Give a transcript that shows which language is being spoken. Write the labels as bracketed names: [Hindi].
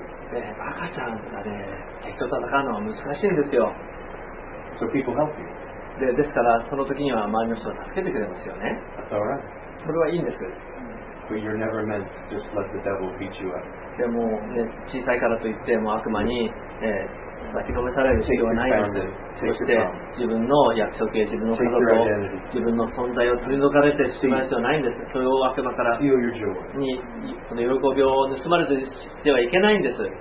[Japanese] 赤ちゃんがね、敵と戦うのは難しいんですよ。 [English] So people help you. [Japanese] ですからその時には周りの人が助けてくれますよね。 [English] That's all right. [Japanese] それはいいんです。 [English] But you're never meant to just let the devil beat you up. [Japanese] でもね、小さいからといってもう悪魔に、抱き込めされる必要はないので、そして自分の約束や自分の家族を自分の存在を取り除かれてしまう必要はないんです。それを悪魔からにその喜びを盗まれてしてはいけないんです。